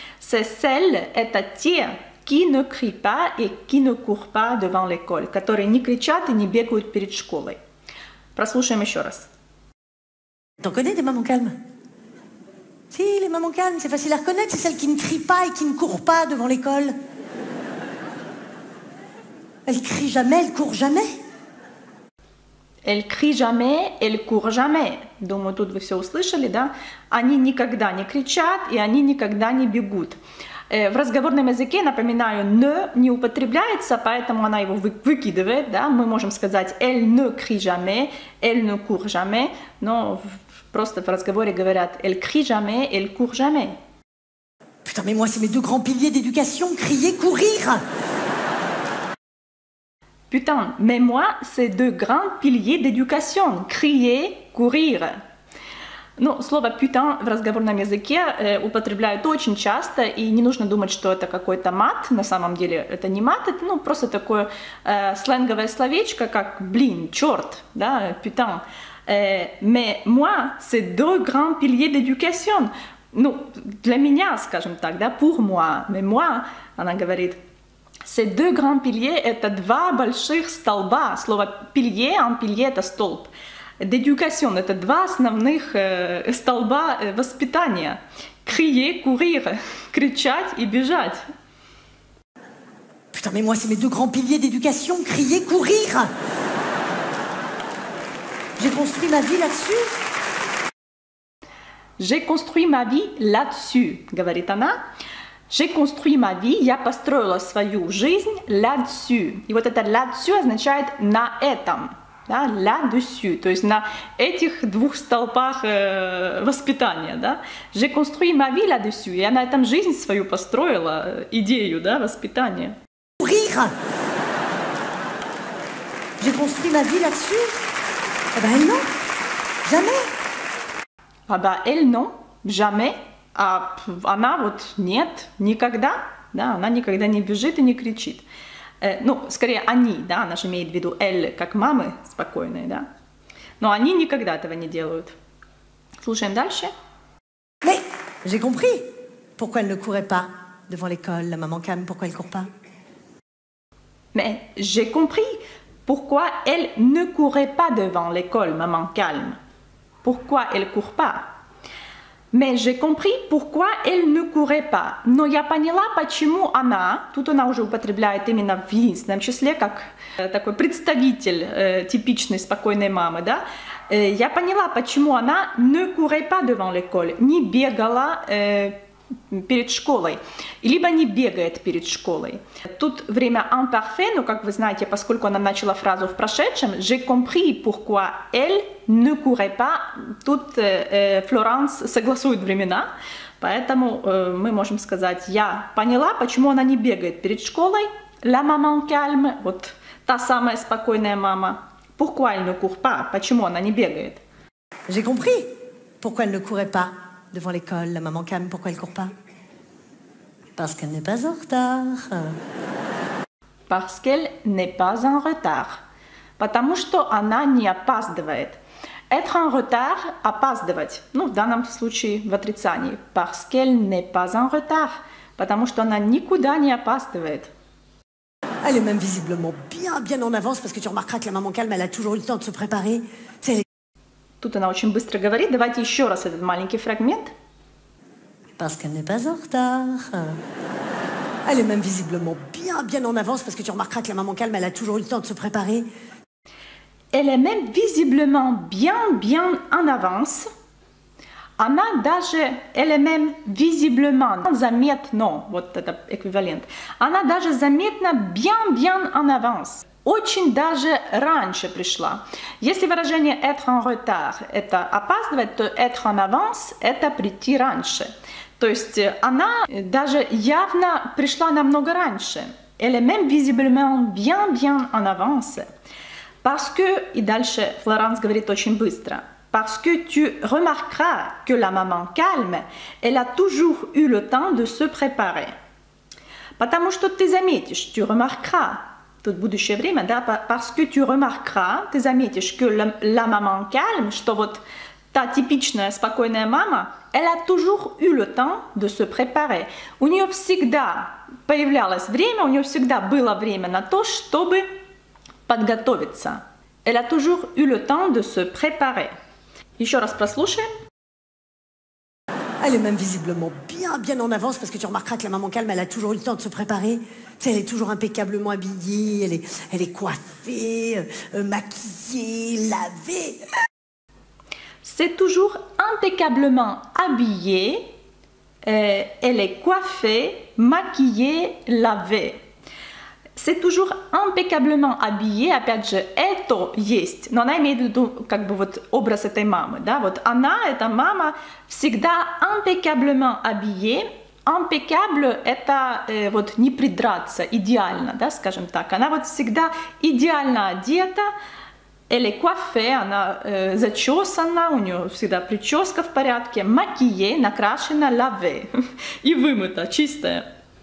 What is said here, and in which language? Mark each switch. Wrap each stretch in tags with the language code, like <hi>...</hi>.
<ru>«Се селле» – это те,</ru> <fr>«qui ne crie pas et qui ne court pas devant l'école»,</fr> <ru>которые не кричат и не бегают перед школой. Прослушаем еще раз.</ru> <fr>T'en connais des mamans calmes? Si, les mamans calmes, c'est facile à reconnaître, c'est celles qui ne crient pas et qui ne courent pas devant l'école. Elles crient jamais, elles courent jamais. Elles crient jamais, elles courent jamais.</fr> <ru>Думаю, тут вы все услышали, да? Они никогда не кричат и они никогда не бегут. В разговорном языке, напоминаю, «ne» не употребляется, поэтому она его выкидывает, да? Мы можем сказать</ru> <fr>«elle ne crie jamais», «elle ne court jamais»,</fr> <ru>но просто в разговоре говорят</ru> <fr>«elle crie jamais», «elle court jamais». Putain, mais moi, c'est mes deux grands piliers d'éducation, crier, courir! Putain, mais moi, c'est deux grands piliers d'éducation, crier, courir!</fr> <ru>Ну, слово «путан» в разговорном языке употребляют очень часто, и не нужно думать, что это какой-то мат, на самом деле это не мат, это, ну, просто такое сленговое словечко, как «блин», «черт», да, «путан».</ru> <fr>«Mais moi, c'est deux grands piliers d'éducation».</fr> <ru>Ну, для меня, скажем так, да,</ru> <fr>«pour moi», «mais moi»,</fr> <ru>она говорит.</ru> <fr>«C'est deux grands piliers»</fr> <ru>— это два больших столба. Слово «пилье», «un pilier» — это столб. Дедюкацион – это два основных столба воспитания. Крие, курир – кричать и бежать.</ru> <fr>Putain, mais moi, c'est mes deux grands piliers d'éducation, crier, courir! J'ai construit ma vie là-dessus. J'ai construit ma vie là-dessus,</fr> <ru>говорит она.</ru> <fr>J'ai construit ma vie,</fr> <ru>я построила свою жизнь</ru> <fr>là-dessus.</fr> <ru>И вот это là-dessus означает «на этом». Да, là-dessus, то есть на этих двух столпах воспитания, да.</ru> <fr>J'ai construit ma vie là-dessus.</fr> <ru>Я на этом жизнь свою построила, идею, да, воспитание.</ru> <fr>Courir! J'ai construit ma vie là-dessus. Eh ben non, jamais. Ah ben, elle non, jamais.</fr> <ru>А она вот нет, никогда. Да, она никогда не бежит и не кричит. Ну, скорее, они, да, она же имеет в виду «elle», как мамы спокойные, да. Но они никогда этого не делают. Слушаем дальше.</ru> <fr>Mais, j'ai compris, pourquoi elle ne courait pas devant l'école, la maman calme, pourquoi elle court pas? Mais, j'ai compris, pourquoi elle ne courait pas devant l'école, maman calme, pourquoi elle court pas? Mais j'ai compris pourquoi elle ne courait pas.</fr> <ru>Но я поняла, почему она, тут она уже употребляет именно в единственном числе, как такой представитель типичной спокойной мамы, да? Я поняла, почему она</ru> <fr>ne courait pas devant l'école,</fr> <ru>не бегала перед школой, либо не бегает перед школой. Тут время imparfait, но, как вы знаете, поскольку она начала фразу в прошедшем,</ru> <fr>j'ai compris pourquoi elle ne courait pas,</fr> <ru>тут Флоранс согласует времена, поэтому мы можем сказать, я поняла, почему она не бегает перед школой,</ru> <fr>la maman calme,</fr> <ru>вот та самая спокойная мама,</ru> <fr>pourquoi elle ne court pas,</fr> <ru>почему она не бегает.</ru> <fr>J'ai compris pourquoi elle ne courait pas. Devant l'école, la maman calme, pourquoi elle court pas? Parce qu'elle n'est pas en retard. Parce qu'elle n'est pas en retard.</fr> <ru>Потому что она не опаздывает.</ru> <fr>Être en retard,</fr> <ru>опаздывать. Ну, в данном случае в отрицании.</ru> <fr>Parce qu'elle n'est pas en retard.</fr> <ru>Потому что она никуда не опаздывает.</ru> <fr>Elle est même visiblement bien, bien en avance, parce que tu remarqueras que la maman calme, elle a toujours eu le temps de se préparer.</fr> <ru>Тут она очень быстро говорит. Давайте еще раз этот маленький фрагмент.</ru> <fr>Parce qu'elle n'est pas en retard. Elle est même visiblement bien, bien en avance, parce que tu remarqueras que la maman calme, elle a toujours eu le temps de se préparer. Elle est même visiblement bien, bien en avance.</fr> <ru>Она даже,</ru> <fr>elle est même visiblement,</fr> <ru>заметно, вот это эквивалент. Она даже заметно</ru> <fr>bien, bien en avance.</fr> <ru>Очень даже раньше пришла. Если выражение</ru> <fr>être en retard</fr> <ru>– это опаздывать, то</ru> <fr>être en avance</fr> <ru>– это прийти раньше. То есть она даже явно пришла намного раньше.</ru> <fr>Elle est même visiblement bien, bien en avance. Parce que,</fr> <ru>и дальше Флоранс говорит очень быстро.</ru> <fr>Parce que tu remarqueras que la maman calme, elle a toujours eu le temps de se préparer.</fr> <ru>Потому что ты заметишь,</ru> <fr>tu remarqueras.</fr> <ru>тут будущее время, да,</ru> <fr>parce que tu remarqueras,</fr> <ru>ты заметишь,</ru> <fr>que la maman calme,</fr> <ru>что вот та типичная спокойная мама,</ru> <fr>elle a toujours eu le temps de se préparer.</fr> <ru>У нее всегда появлялось время, у нее всегда было время на то, чтобы подготовиться.</ru> <fr>Elle a toujours eu le temps de se préparer.</fr> <ru>Еще раз прослушаем.</ru> <fr>Elle est même visiblement bien, bien en avance, parce que tu remarqueras que la maman calme, elle a toujours eu le temps de se préparer. Tu sais, elle est toujours impeccablement habillée, elle est coiffée, maquillée, lavée. C'est toujours impeccablement habillée, elle est coiffée, maquillée, lavée. C'est toujours impeccablement habillée,</fr> <ru>опять же, это есть, но она имеет в виду как бы вот образ этой мамы, да, вот она, эта мама, всегда</ru> <fr>impeccablement habillée,</fr> <ru>impeccable, это вот не придраться, идеально, да, скажем так, она вот всегда идеально одета,</ru> <fr>elle est coiffée,</fr> <ru>она зачесана, у нее всегда прическа в порядке, maquillée, накрашена, lavée, и вымыта, чистая.</ru>